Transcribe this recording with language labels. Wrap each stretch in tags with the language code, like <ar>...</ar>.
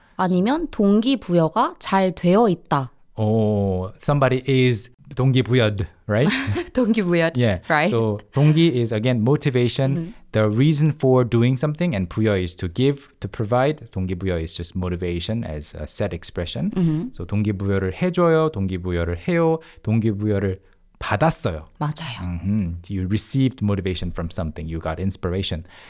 <ko>아니면 동기부여가 잘 되어 있다.</ko> <en>Somebody is 동기부여'd, right?</en> <ko>동기부여'd,</ko> <en>yeah. right? So 동기 is again motivation, the reason for doing something, and 부여 is to give, to provide. 동기부여 is just motivation as a set expression. Mm-hmm.</en> <ko>So 동기부여를 해줘요, 동기부여를 해요, 동기부여를 받았어요. 맞아요. Mm-hmm.</ko> <en>You received motivation from something, you got inspiration.</en>